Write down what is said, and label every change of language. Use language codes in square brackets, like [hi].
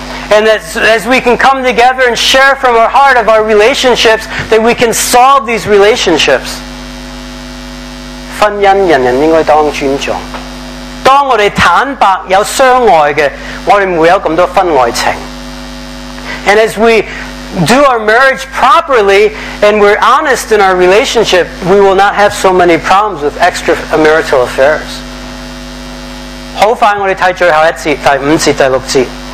[en] And as we can come together and share from our heart of our relationships, that we can solve these relationships. [zh] 婚姻人人应该当尊重。当我们坦白有相爱的，我们不会有那么多婚外情。And [en] as we do our marriage properly and we're honest in our relationship, we will not have so many problems with extramarital affairs. [zh] 很快我们看最后一节，第五节、第六节。